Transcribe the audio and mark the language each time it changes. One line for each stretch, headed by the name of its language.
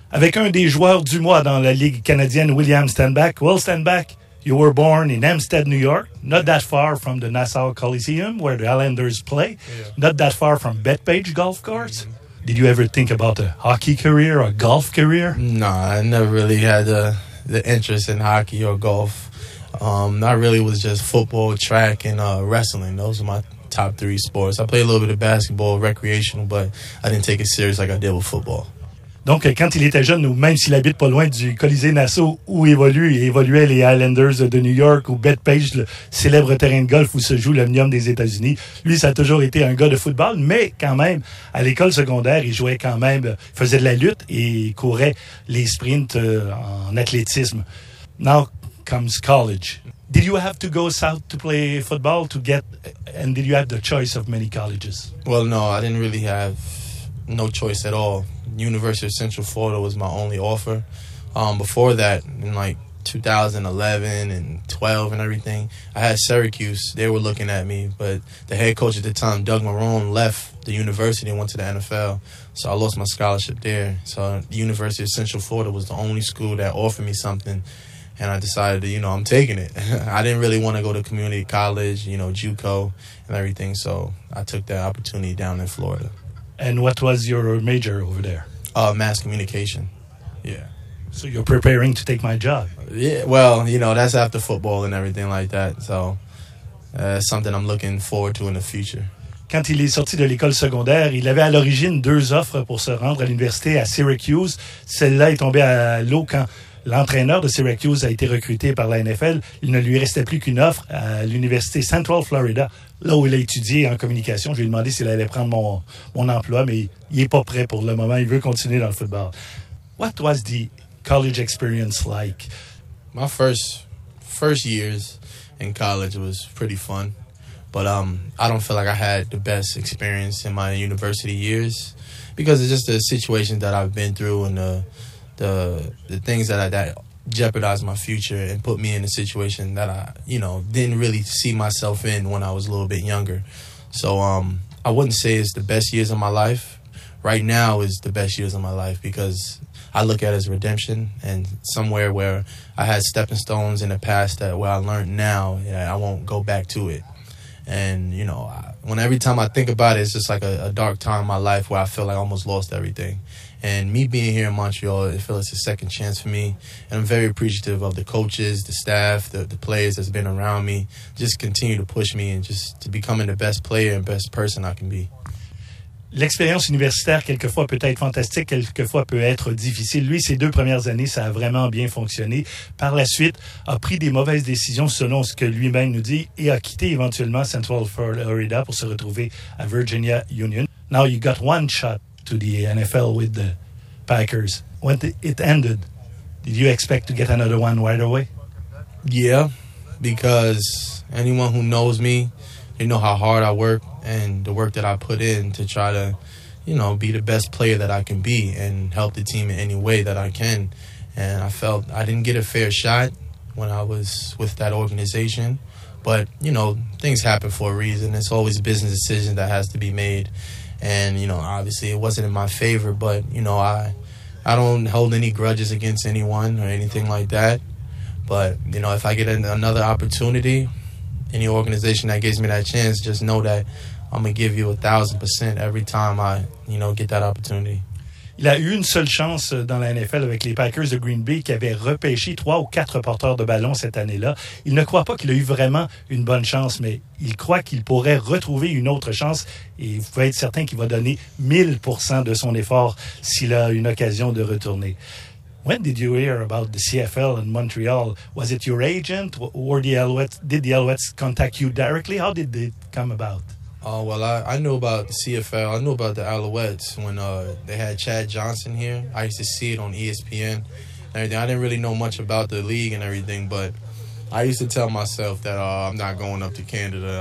French: avec un des joueurs du mois dans la Ligue canadienne, William Stenback.
English: Will Stenback, you were born in Hempstead, New York, not that far from the Nassau Coliseum, where the Islanders play, not that far from Bethpage Golf Course. Did you ever think about a hockey career or a golf career? No, I never really had the interest in hockey or golf. Not really, was just football, track, and wrestling. Those are my top three sports. I played a little bit of basketball, recreational, but I didn't take it serious like I did with football.
French: Donc, quand il était jeune, ou même s'il habite pas loin du Colisée Nassau où il évoluait les Islanders de New York ou Bethpage, le célèbre terrain de golf où se joue l'Omnium des États-Unis, lui, ça a toujours été un gars de football, mais quand même, à l'école secondaire, il jouait quand même, faisait de la lutte et courait les sprints en athlétisme.
English: Now comes college. Did you have to go south to play football to get, and did you have the choice of many colleges? Well, no, I didn't really have no choice at all. University of Central Florida was my only offer. Before that, in like 2011 and 12 and everything, I had Syracuse. They were looking at me, but the head coach at the time, Doug Marone, left the university and went to the NFL. So I lost my scholarship there. So the University of Central Florida was the only school that offered me something, and I decided, you know, I'm taking it. I didn't really want to go to community college, you know, JUCO and everything, so I took that opportunity down in Florida. And what was your major over there? Mass communication, yeah. So you're preparing to take my job? Yeah, well, you know, that's after football and everything like that. So something I'm looking forward to in the future.
French: Quand il est sorti de l'école secondaire, il avait à l'origine deux offres pour se rendre à l'université à Syracuse. Celle-là est tombée à l'eau quand l'entraîneur de Syracuse a été recruté par la NFL. Il ne lui restait plus qu'une offre à l'université Central Florida, là où il a étudié en communication. Je lui ai demandé s'il allait prendre mon emploi, mais il n'est pas prêt pour le moment. Il veut continuer dans le football.
English: What was the college experience like? My first years in college was pretty fun, but I don't feel like I had the best experience in my university years because it's just the situation that I've been through and the things that jeopardized my future and put me in a situation that I, you know, didn't really see myself in when I was a little bit younger. So I wouldn't say it's the best years of my life. Right now is the best years of my life because I look at it as redemption and somewhere where I had stepping stones in the past that where I learned now, yeah, I won't go back to it. And, you know, when every time I think about it, it's just like a dark time in my life where I feel like I almost lost everything. And me being here in Montreal, it feels like a second chance for me. And I'm very appreciative of the coaches, the staff, the players that's been around me. Just continue to push me and just to becoming the best player and best person I can be.
French: L'expérience universitaire, quelquefois, peut être fantastique, quelquefois, peut être difficile. Lui, ses deux premières années, ça a vraiment bien fonctionné. Par la suite, a pris des mauvaises décisions, selon ce que lui-même nous dit, et a quitté éventuellement Central Florida pour se retrouver à Virginia Union.
English: Now you got one shot to the NFL with the Packers. When it ended, did you expect to get another one right away? Yeah, because anyone who knows me, they know how hard I work and the work that I put in to try to, you know, be the best player that I can be and help the team in any way that I can. And I felt I didn't get a fair shot when I was with that organization. But, you know, things happen for a reason. It's always a business decision that has to be made. And, you know, obviously it wasn't in my favor, but, you know, I don't hold any grudges against anyone or anything like that. But, you know, if I get another opportunity, any organization that gives me that chance, just know that I'm going to give you 1,000% every time I, you know, get that opportunity.
French: Il a eu une seule chance dans la NFL avec les Packers de Green Bay qui avaient repêché 3 ou 4 porteurs de ballon cette année-là. Il ne croit pas qu'il a eu vraiment une bonne chance, mais il croit qu'il pourrait retrouver une autre chance et vous pouvez être certain qu'il va donner 1000% de son effort s'il a une occasion de retourner.
English: When did you hear about the CFL in Montreal? Was it your agent or the Alouettes? Did the Alouettes contact you directly? How did it come about? Well, I knew about the CFL. I knew about the Alouettes when they had Chad Johnson here. I used to see it on ESPN and everything. I didn't really know much about the league and everything, but I used to tell myself that I'm not going up to Canada.